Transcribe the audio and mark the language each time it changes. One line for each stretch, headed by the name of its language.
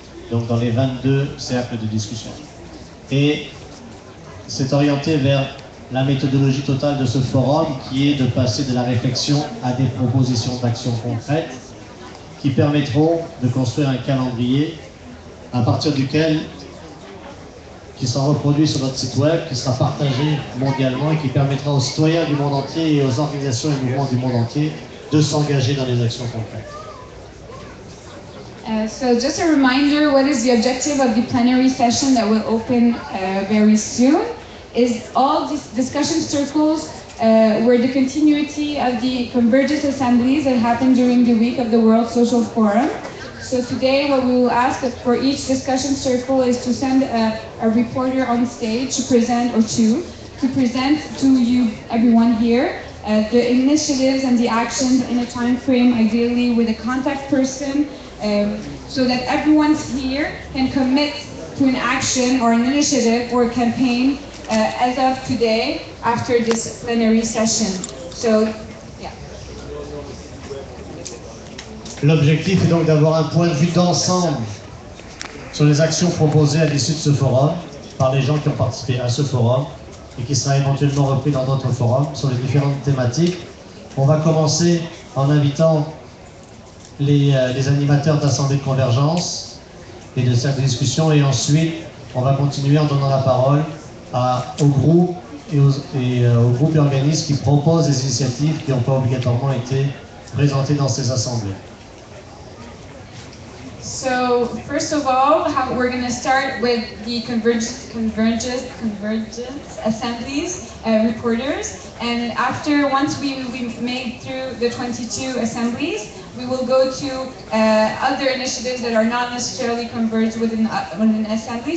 French: Donc dans les 22 cercles de discussion. Et c'est orienté vers la méthodologie totale de ce forum qui est de passer de la réflexion à des propositions d'action concrètes qui permettront de construire un calendrier à partir duquel qui sera reproduit sur notre site web, qui sera partagé mondialement et qui permettra aux citoyens du monde entier et aux organisations et mouvements du monde entier de s'engager dans les actions concrètes.
English: So just a reminder, what is the objective of the plenary session that will open very soon? Is all these discussion circles were the continuity of the convergence assemblies that happened during the week of the World Social Forum. So today what we will ask for each discussion circle is to send a reporter on stage to present or two, to present to you, everyone here, the initiatives and the actions in a time frame, ideally with a contact person, so that everyone here can commit to an action or an initiative or a campaign as of today after this plenary session. So,
French: l'objectif est donc d'avoir un point de vue d'ensemble sur les actions proposées à l'issue de ce forum par les gens qui ont participé à ce forum et qui sera éventuellement repris dans d'autres forums sur les différentes thématiques. On va commencer en invitant les animateurs d'assemblées de convergence et de cercles de discussion et ensuite on va continuer en donnant la parole aux groupes et organismes qui proposent des initiatives qui n'ont pas obligatoirement été présentées dans ces assemblées.
English: So first of all, we're going to start with the convergence assemblies reporters, and after once we made through the 22 assemblies, we will go to other initiatives that are not necessarily converged within an assembly.